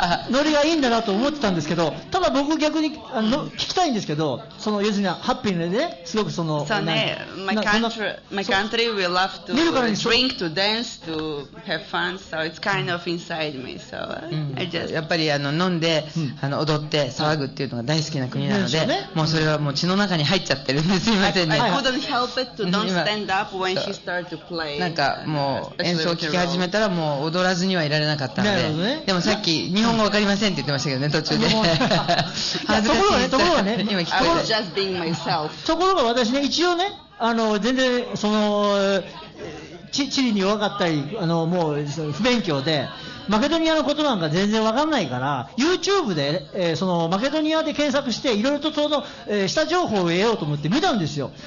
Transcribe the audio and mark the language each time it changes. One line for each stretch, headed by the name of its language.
Japanese: ノリがいいんだなと思ってたんですけど、ただ僕逆に聞きたいんですけど、その要するにハッピーでね、すごくその、そうね、
English: my country we love to drink, to dance, to have fun, so it's kind of inside me, so I just
Japanese: やっぱり飲んで、踊って騒ぐっていうのが大好きな国なので、ね、もうそれはもう血の中に入っちゃってるんです、いませんね。
English: I couldn't help it to don't stand up when she started to play.
Japanese: なんかもう聞き始めたらもう踊らずにはいられなかったので、ね、でもさっき日本語わかりませんって言ってましたけどね、途中で。ところがね今聞こえて、ところが私ね、一応ね全然その地理に弱かったりもう不勉強でマケドニアのことなんか全然わかんないから、 YouTube で、そのマケドニアで検索していろいろとその、下情報を得ようと思って見たんですよ。